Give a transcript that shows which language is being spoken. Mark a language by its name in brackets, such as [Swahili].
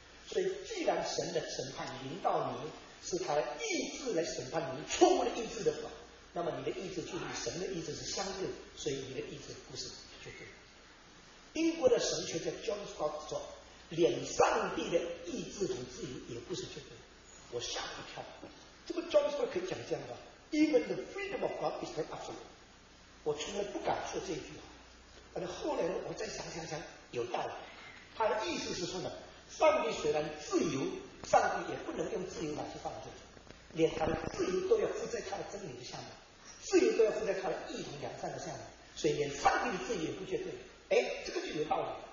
[Chinese] 所以既然神的审判临到你，是他的意志来审判你错误的意志的话，那么你的意志就与神的意志是相对，所以你的意志不是绝对。英国的神学家 John Scott 说，连上帝的意志和自由也不是绝对。我吓一跳，这个 [English] John Scott [Chinese] 可以讲这样的话， [English] Even the freedom of God is not absolute。 [Chinese] 我从来不敢说这一句话，但是后来我再想有道理。他的意思是说呢，上帝虽然自由，上帝也不能用自由来去犯罪，连他的自由都要附在他的真理的下面，自由都要附在他的义同良善的下面，所以连上帝的自由也不绝对。哎，这个就有道理。